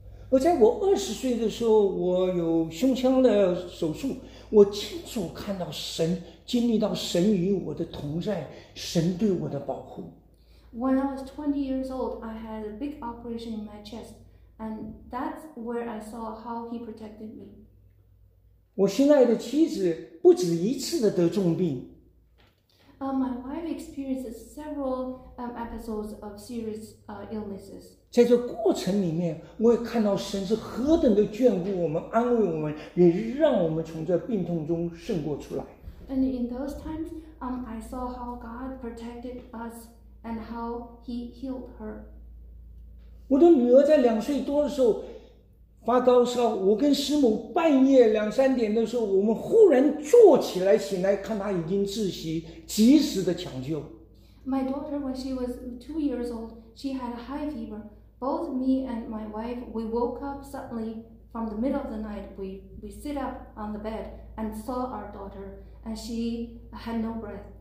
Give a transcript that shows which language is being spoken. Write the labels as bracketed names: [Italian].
[Chinese] 我在我20岁的时候，我有胸腔的手术，我清楚看到神，经历到神与我的同在，神对我的保护。 [English] When I was 20 years old, I had a big operation in my chest, and that's where I saw how He protected me. [Chinese] 我心爱的妻子不止一次的得重病。 [English] My wife experienced several episodes of serious illnesses. [Chinese] 在这过程里面，我也看到神是何等的眷顾我们，安慰我们，也让我们从这病痛中胜过出来。 [English] And in those times, I saw how God protected us and how He healed her. [Chinese] 我的女儿在两岁多的时候发高烧，我跟师母半夜两三点的时候，我们忽然坐起来醒来，看她已经窒息，及时的抢救。 [English] My daughter, when she was 2 years old, she had a high fever. Both me and my wife, we woke up suddenly from the middle of the night. We sit up on the bed and saw our daughter, and she had no breath.